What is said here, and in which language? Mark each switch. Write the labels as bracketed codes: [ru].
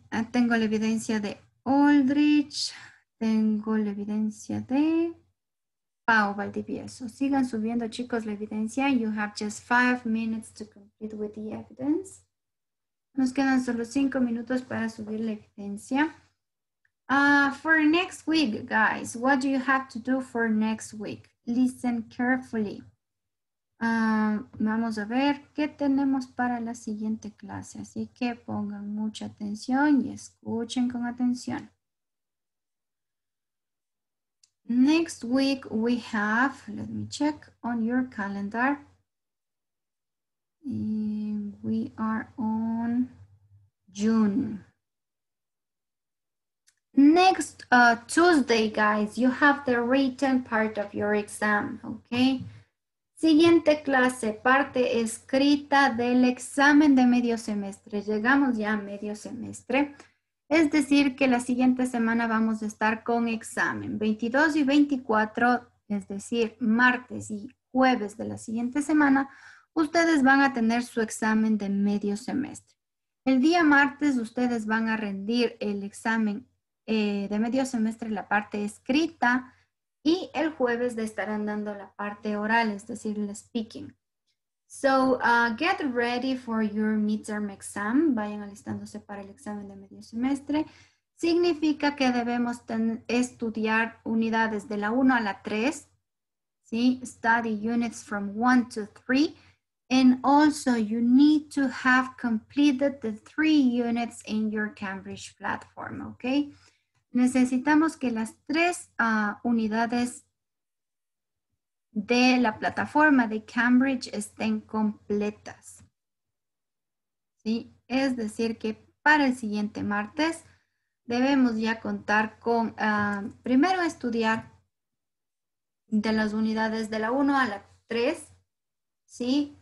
[es] Tengo la evidencia de Aldrich, tengo la evidencia de Pau Valdivieso. Sigan subiendo, chicos, la evidencia. [en] You have just 5 minutes to complete with the evidence. [es] Nos quedan solo 5 minutos para subir la evidencia. [en] For next week, guys, what do you have to do for next week? Listen carefully. [es] Vamos a ver qué tenemos para la siguiente clase, así que pongan mucha atención y escuchen con atención. [en] Next week we have, let me check on your calendar. We are on June. Next Tuesday, guys, you have the written part of your exam, okay? [es] Siguiente clase, parte escrita del examen de medio semestre. Llegamos ya a medio semestre. Es decir, que la siguiente semana vamos a estar con examen. 22 y 24, es decir, martes y jueves de la siguiente semana, ustedes van a tener su examen de medio semestre. El día martes ustedes van a rendir el examen de medio semestre, la parte escrita. Y el jueves le estarán dando la parte oral, es decir, el speaking. [en] So, get ready for your midterm exam. [es] Vayan alistándose para el examen de medio semestre. Significa que debemos estudiar unidades de la 1 a la 3. [en] ¿Sí? Study units from 1 to 3. And also, you need to have completed the 3 units in your Cambridge platform, okay? [es] Necesitamos que las 3 unidades de la plataforma de Cambridge estén completas. ¿Sí? Es decir, que para el siguiente martes debemos ya contar con, primero estudiar de las unidades de la 1 a la 3, ¿sí?